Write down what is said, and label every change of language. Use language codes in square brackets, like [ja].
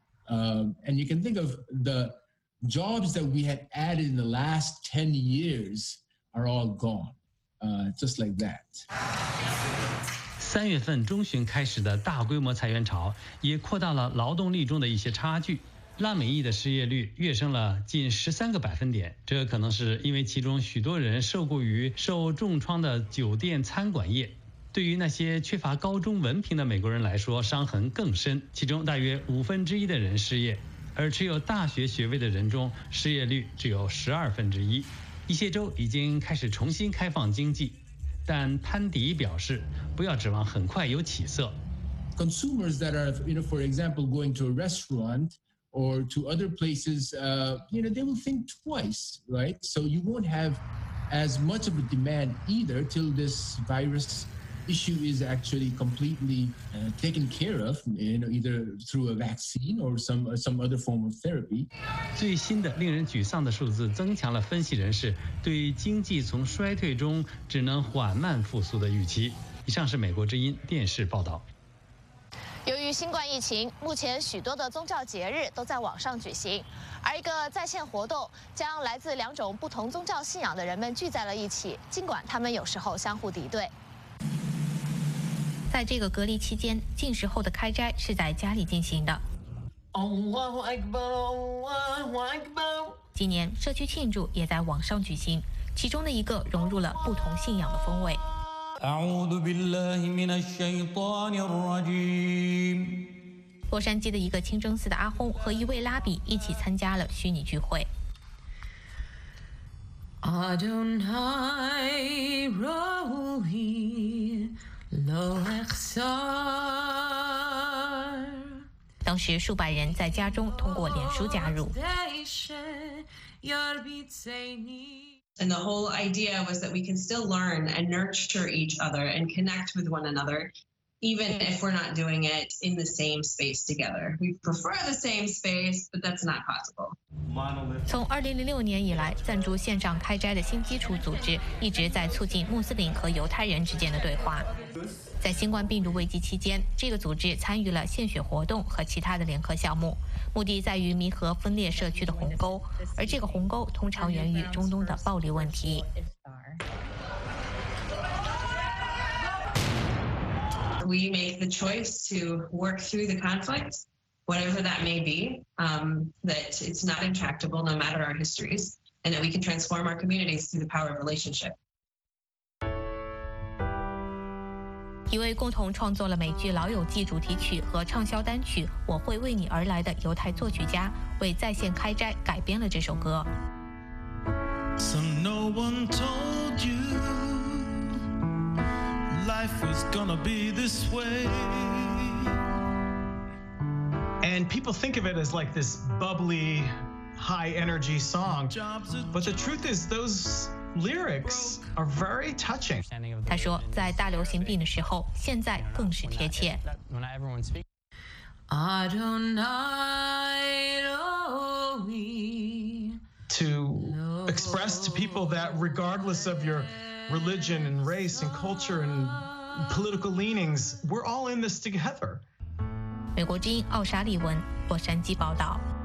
[en] And you can think of the jobs that we had added in the last 10 years are all gone, just like that. [zh] 三月份中旬开始的大规模裁员潮也扩大了劳动力中的一些差距。拉美裔的失业率跃升了近13%，这可能是因为其中许多人受雇于受重创的酒店餐馆业。对于那些缺乏高中文凭的美国人来说，伤痕更深，其中大约1/5的人失业，而持有大学学位的人中失业率只有12%。一些州已经开始重新开放经济，但潘迪表示不要指望很快有起色。 [en] Consumers that are, you know, for example, going to a restaurant,or to other places, you know, they will think twice, right? So you won't have as much of a demand either till this virus issue is actually completely taken care of, you know, either through a vaccine or some other form of therapy. [zh] 最新的令人沮丧的数字增强了分析人士对经济从衰退中只能缓慢复苏的预期。以上是美国之音电视报道。由于新冠疫情，目前许多的宗教节日都在网上举行，而一个在线活动将来自两种不同宗教信仰的人们聚在了一起，尽管他们有时候相互敌对。在这个隔离期间，进食后的开斋是在家里进行的。今年社区庆祝也在网上举行，其中的一个融入了不同信仰的风味。 [ar] أعوذ بالله من الشيطان الرجيم. [zh] 洛杉矶的一个清真寺的阿訇和一位拉比一起参加了虚拟聚会。 [he] Adonai Rohi Lo Echsar. [zh] 当时数百人在家中通过脸书加入。 [en] And the whole idea was that we can still learn and nurture each other and connect with one another, even if we're not doing it in the same space together. We prefer the same space, but that's not possible. [zh] 从2006年以来，赞助线上开斋的新基础组织一直在促进穆斯林和犹太人之间的对话。在新冠病毒危机期间，这个组织参与了献血活动和其他的联合项目，目的在于弥合分裂社区的鸿沟，而这个鸿沟通常源于中东的暴力问题。 [en] We make the choice to work through the conflict, whatever that may be, that it's not intractable no matter our histories, and that we can transform our communities through the power of relationship. [zh] 一位共同创作了美剧《老友记》主题曲和畅销单曲《我会为你而来》的犹太作曲家为在线开斋改编了这首歌。 [en] So no one told you life was gonna be this way. And people think of it as like this bubbly, high energy song. But the truth is those. Lyrics are very touching. [zh] 他说，在大流行病的时候，现在更是贴切。 [en] To express to people that regardless of your religion and race and culture and political leanings, we're all in this together. [zh] 美国之音奥沙利文，洛杉矶报道。